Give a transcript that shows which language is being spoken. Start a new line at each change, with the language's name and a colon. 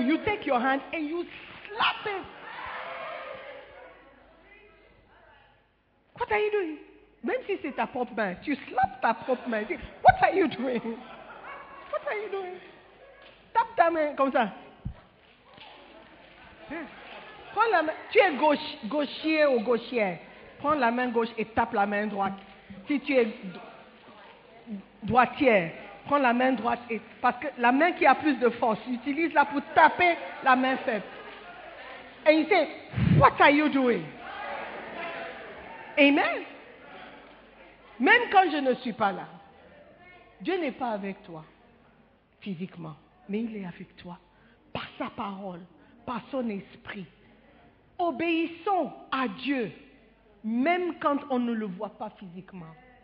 English: You take your hand and you slap it. What are you doing?
French: Même si c'est ta propre main, tu slap ta propre main.
English: What are you doing? What are you doing?
French: Tape ta main comme ça. Prends la main. Tu es gauche, gauchier ou gauchière. Prends la main gauche et tape la main droite. Si tu es droitière, prends la main droite. Et, parce que la main qui a plus de force, utilise-la pour taper la main faible. Et il dit,
English: what are you doing? Amen.
French: Même quand je ne suis pas là, Dieu n'est pas avec toi physiquement, mais il est avec toi par sa parole, par son esprit. Obéissons à Dieu, même quand on ne le voit pas physiquement.